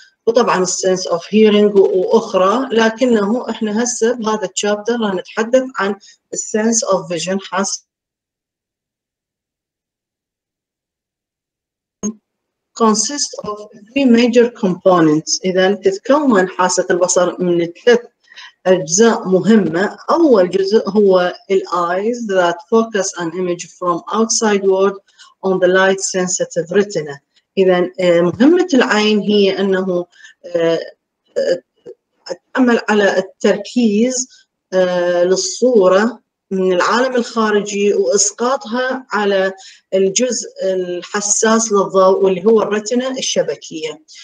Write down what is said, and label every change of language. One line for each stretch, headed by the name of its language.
Arabic: وطبعا
English: sense of hearing
Arabic: وأخرى، لكنه إحنا هسه بهذا الشابتر راح نتحدث عن
English: sense of vision،
Arabic: حاسة
English: consists of three major components.
Arabic: إذا تتكون حاسة البصر من 3 أجزاء مهمة. أول جزء هو الـ
English: eyes that focus an image from outside world on the light sensitive retina.
Arabic: إذا مهمة العين هي أنه تعمل على التركيز للصورة من العالم الخارجي وإسقاطها على الجزء الحساس للضوء واللي هو الرتنة الشبكية.